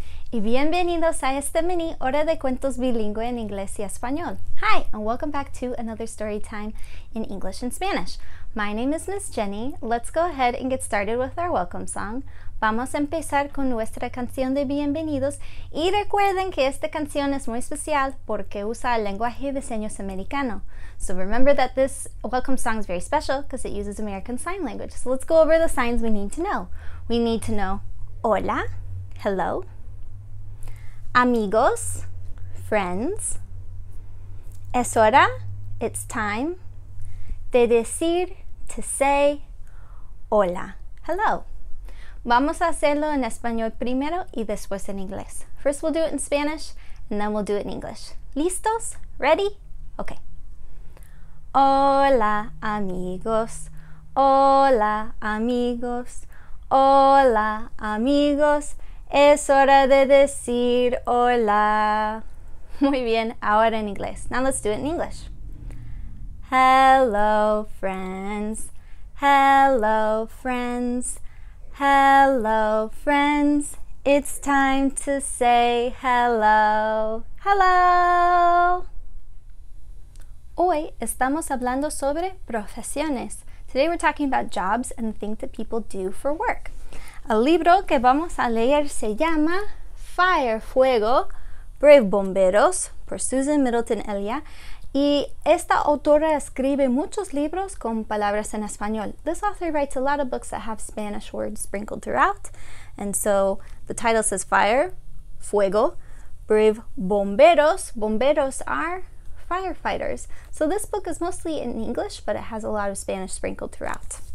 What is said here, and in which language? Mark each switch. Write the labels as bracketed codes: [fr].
[es] Y bienvenidos a este mini hora de cuentos bilingüe en inglés y español. [en] Hi, and welcome back to another story time in English and Spanish. My name is Miss Jenny. Let's go ahead and get started with our welcome song. [es] Vamos a empezar con nuestra canción de bienvenidos. Y recuerden que esta canción es muy especial porque usa el lenguaje de señas americano. [en] So remember that this welcome song is very special because it uses American Sign Language. So let's go over the signs we need to know. We need to know hola, hello. Amigos, friends. [es] Es hora, [en] it's time. [es] De decir, [en] to say, [es] hola, hello. Vamos a hacerlo en español primero y después en inglés. [en] First we'll do it in Spanish and then we'll do it in English. [es] ¿Listos? [en] Ready? Okay. [es] Hola, amigos. Hola, amigos. Hola, amigos. Es hora de decir hola. Muy bien, ahora en inglés. [en] Now let's do it in English. Hello, friends. Hello, friends. Hello, friends. It's time to say hello. [es] Hello! Hoy estamos hablando sobre profesiones. [en] Today we're talking about jobs and the things that people do for work. [es] El libro que vamos a leer se llama Fire, Fuego, Brave Bomberos, por Susan Middleton Elia. Y esta autora escribe muchos libros con palabras en español. [en] This author writes a lot of books that have Spanish words sprinkled throughout. And so the title says Fire, Fuego, Brave Bomberos. Bomberos are firefighters. So this book is mostly in English, but it has a lot of Spanish sprinkled throughout.